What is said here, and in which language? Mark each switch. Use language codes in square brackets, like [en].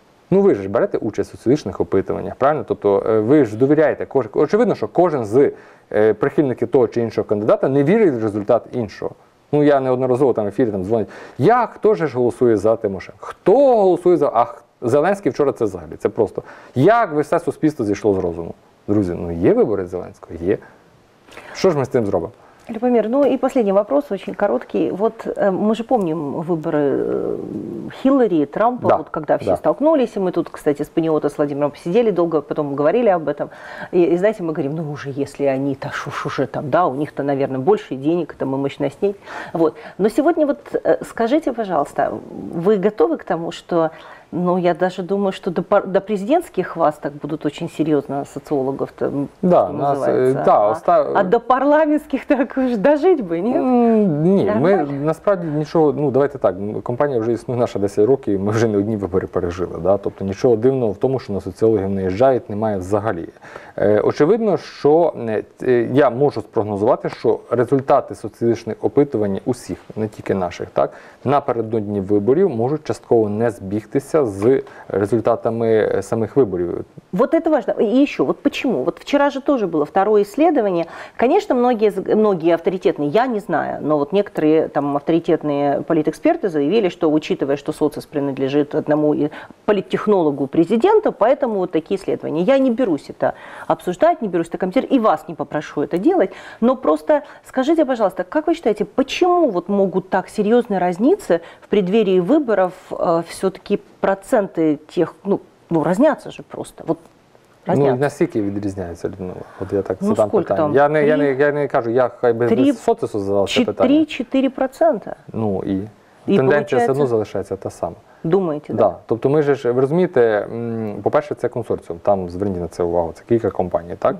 [uk] Ну, ви ж берете участь у соціологічних опитуваннях, правильно? Тобто ви ж довіряєте, очевидно, що кожен з прихильників того чи іншого кандидата не вірить в результат іншого. Ну, я неодноразово там в ефірі там дзвонять, як, хто ж голосує за Тимошенко? Хто голосує за, ах, Зеленський вчора це взагалі, це просто. Як все суспільство зійшло з розуму? Друзі, ну, є вибори Зеленського? Є. Що ж ми з тим зробимо? [ru] Любомир, ну и последний вопрос, очень короткий. Вот мы же помним выборы Хиллари и Трампа, да, вот когда все да. столкнулись, и мы тут, кстати, с Паниотто, с Владимиром посидели долго, потом говорили об этом. И знаете, мы говорим, ну уже если они-то, уже там, да, у них-то, наверное, больше денег, там и мощностей. Вот. Но сегодня вот скажите, пожалуйста, вы готовы к тому, что... Ну, я даже думаю, что до президентских вас так будут очень серьезно социологов, да, что нас, называется. Да, а до парламентских так уж дожить бы, нет? [uk] Ні, ми насправді нічого, ну давайте так, компанія вже існує наша 10 років, і ми вже не одні вибори пережили. Да? Тобто нічого дивного в тому, що на соціологів не їжджають, немає взагалі. Очевидно, що я можу спрогнозувати, що результати соціологічних опитувань усіх, не тільки наших, так, напередодні виборів можуть частково не збігтися з результатами самих виборів. [ru] Вот это важно. И еще, вот почему? Вот вчера же тоже было второе исследование. Конечно, многие авторитетные, я не знаю, но вот некоторые там авторитетные политэксперты заявили, что учитывая, что Социс принадлежит одному политтехнологу президента, поэтому вот такие исследования. Я не берусь это обсуждать, не берусь это комментировать, и вас не попрошу это делать, но просто скажите, пожалуйста, как вы считаете, почему вот могут так серьезно разниться в преддверии выборов все-таки проценты тех, ну, ну, разнятся же просто. Вот разнятся. [uk] Ну, наскільки відрізняються, Людмила? От я так задам ну, питання. Там? Я не кажу, я хай би Соцису задав це питання. 3-4%. Ну, і тенденція все одно залишається та сама. Думаєте, да? Да. Тобто ми ж, ви розумієте, по-перше, це консорціум, там зверніть на це увагу, це кілька компаній, так?